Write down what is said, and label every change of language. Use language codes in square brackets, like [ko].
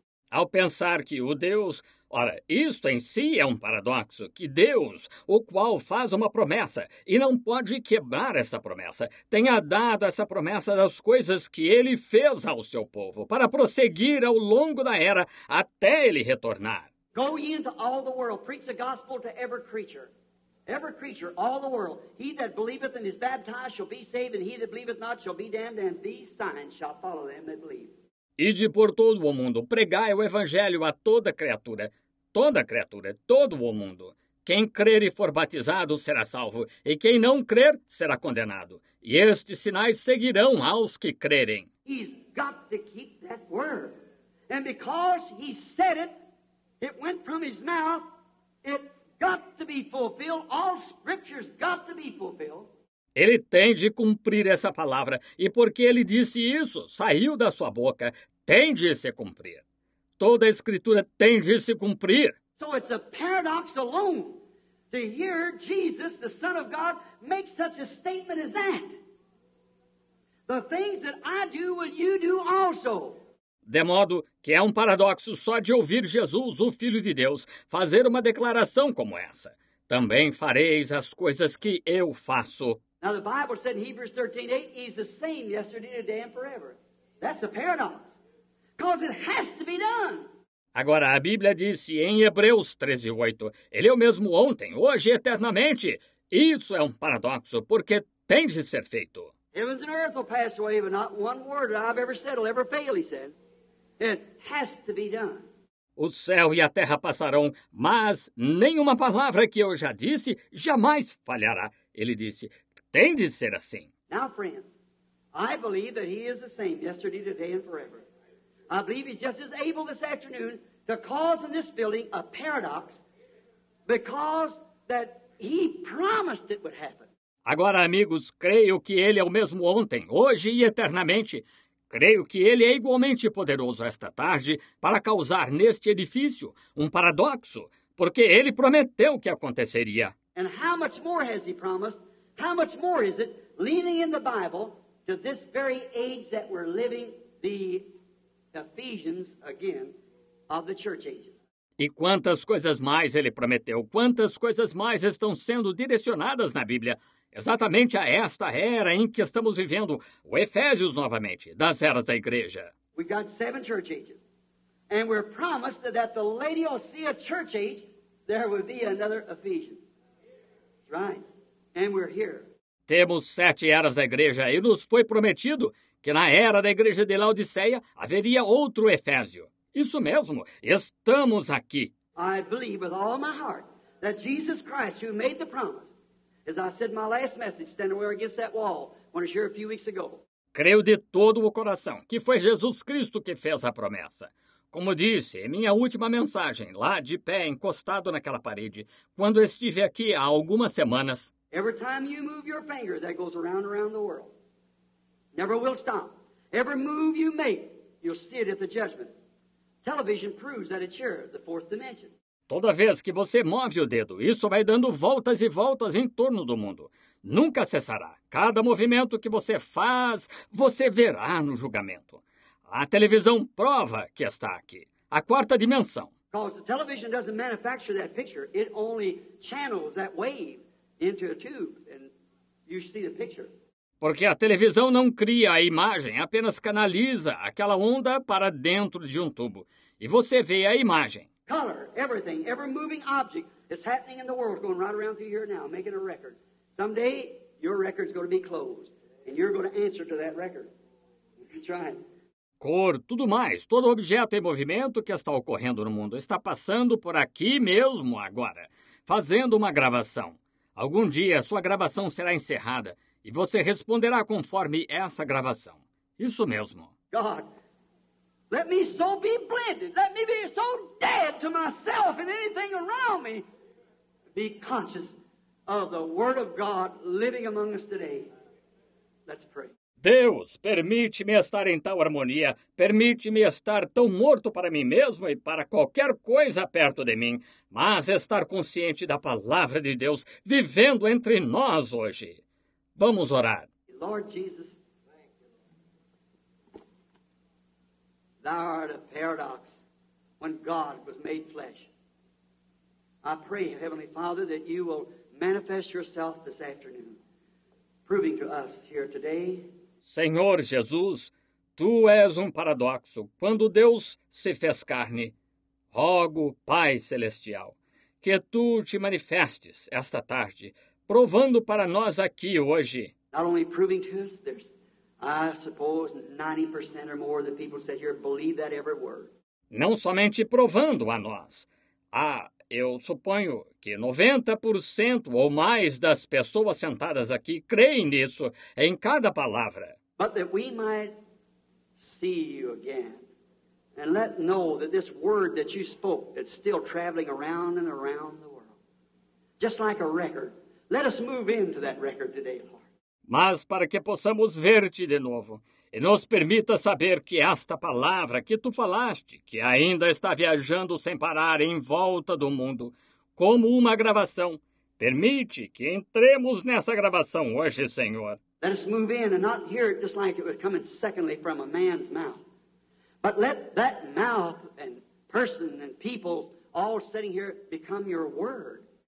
[pt] Ao pensar que o Deus... Ora, isto em si é um paradoxo, que Deus, o qual faz uma promessa e não pode quebrar essa promessa, tenha dado essa promessa das coisas que ele fez ao seu povo para prosseguir ao longo da era até ele retornar. [en] Go ye into all the world, preach the gospel to every creature, all the world. He that believeth and is baptized shall be saved, and he that believeth not shall be damned, and these signs shall follow them that believe. [pt] Ide por todo o mundo, pregai o evangelho a toda criatura, todo o mundo. Quem crer e for batizado será salvo, e quem não crer será condenado. E estes sinais seguirão aos que crerem. [en] He's got to keep that word. And because he said it, it went from his mouth, it's got to be fulfilled. All scripture's got to be fulfilled. [pt] Ele tem de cumprir essa palavra, e porque ele disse isso, saiu da sua boca, tem de se cumprir. Toda a Escritura tem de se cumprir. [en] So it's a paradox alone to hear Jesus, the Son of God, make such a statement as that. The things that I do, will you do also. [pt] De modo que é um paradoxo só de ouvir Jesus, o Filho de Deus, fazer uma declaração como essa. Também fareis as coisas que eu faço. [en] Now the Bible said in Hebrews 13, 8, he's the same yesterday, today, and forever. That's a paradox. Because it has to be done. [pt] Agora, a Bíblia disse em Hebreus 13, 8, ele é o mesmo ontem, hoje e eternamente. Isso é um paradoxo, porque tem de ser feito. [en] Heavens and earth will pass away, but not one word that I've ever said will ever fail, he said. It has to be done. [pt] O céu e a terra passarão, mas nenhuma palavra que eu já disse jamais falhará, ele disse. Tem de ser assim. [en] Now, friends, I believe that he is the same yesterday, today, and forever. I believe he's just as able this afternoon to cause in this building a paradox because that he promised it would happen. [pt] Agora, amigos, creio que ele é o mesmo ontem, hoje e eternamente. Creio que ele é igualmente poderoso esta tarde para causar neste edifício um paradoxo, porque ele prometeu que aconteceria. [en] And how much more has he promised? How much more is it leaning in the Bible to this very age that we're living, the Ephesians again of the church ages? [pt] E quantas coisas mais ele prometeu? Quantas coisas mais estão sendo direcionadas na Bíblia? Exatamente a esta era em que estamos vivendo, o Efésios novamente, das eras da igreja. [en] We've got seven church ages. And we're promised that the Laodicea church age, there will be another Ephesians. Right. And we're here. [pt] Temos sete eras da igreja e nos foi prometido que na era da igreja de Laodiceia haveria outro Efésio. Isso mesmo, estamos aqui. [en] I believe with all my heart that Jesus Christ, who made the promise, as I said in my last message, standing where against that wall, when I was here a few weeks ago. [pt] Creio de todo o coração que foi Jesus Cristo que fez a promessa. Como disse em minha última mensagem, lá de pé, encostado naquela parede, quando estive aqui há algumas semanas. [en] Every time you move your finger, that goes around, around the world. Never will stop. Every move you make, you'll see it at the judgment. Television proves that it's here, the fourth dimension. [pt] Toda vez que você move o dedo, isso vai dando voltas e voltas em torno do mundo. Nunca cessará. Cada movimento que você faz, você verá no julgamento. A televisão prova que está aqui. A quarta dimensão. [en] Because the television doesn't manufacture that picture. It only channels that wave into a tube and you see the picture. [pt] Porque a televisão não cria a imagem, apenas canaliza aquela onda para dentro de um tubo. E você vê a imagem. [en] Color, everything, every moving object is happening in the world, going right around through here now, making a record. Someday, your record's going to be closed, and you're going to answer to that record. That's right. [pt] Cor, tudo mais, todo objeto em movimento que está ocorrendo no mundo está passando por aqui mesmo agora, fazendo uma gravação. Algum dia, sua gravação será encerrada. E você responderá conforme essa gravação. Isso mesmo. [en] God, let me so be blended, let me be so dead to myself and anything around me. Be conscious of the Word of God living among us today. Let's pray. [pt] Deus, permite-me estar em tal harmonia, permite-me estar tão morto para mim mesmo e para qualquer coisa perto de mim, mas estar consciente da palavra de Deus vivendo entre nós hoje. Vamos orar. [en] Lord Jesus, thou art a paradox when God was made flesh. I pray, Heavenly Father, that you will manifest yourself this afternoon, proving to us here today. [pt] Senhor Jesus, tu és um paradoxo. Quando Deus se fez carne, rogo, Pai Celestial, que tu te manifestes esta tarde, provando para nós aqui hoje. [en] Not only proving to us, there's, I suppose, 90% or more of the people said here believe that every word. [pt] Não somente provando a nós. Eu suponho que 90% ou mais das pessoas sentadas aqui creem nisso, em cada palavra. [en] But that we might see you again and let know that this word that you spoke, it's still traveling around and around the world. Just like a record. Let us move into that record today, Lord. [pt] Mas para que possamos ver-te de novo e nos permita saber que esta palavra que tu falaste, que ainda está viajando sem parar em volta do mundo, como uma gravação, permite que entremos nessa gravação hoje, Senhor. [en] Let us move in and not hear it just like it was coming secondly from a man's mouth. But let that mouth and person and people all sitting here become your word.